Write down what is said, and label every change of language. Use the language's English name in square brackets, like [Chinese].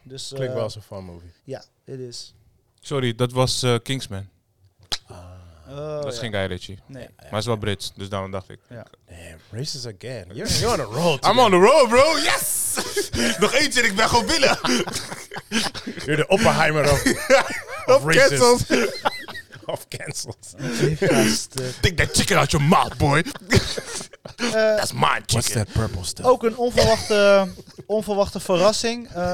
[Dutch] Dus, klinkt wel als een fun movie. Ja, het is. Sorry, dat was Kingsman. Dat is geen Guy Ritchie. Nee. Ja, maar hij is wel Brits, dus daarom dacht ik. Ja. [English] Damn, racist again. You're on a roll. I'm on the roll, bro. Yes! [Dutch] Nog eentje en ik ben gewoon binnen. [English] You're the Oppenheimer of racist. Of cancels. Take that chicken out your mouth, boy. That's my chicken. What's that purple stuff? [Dutch] Ook een onverwachte verrassing.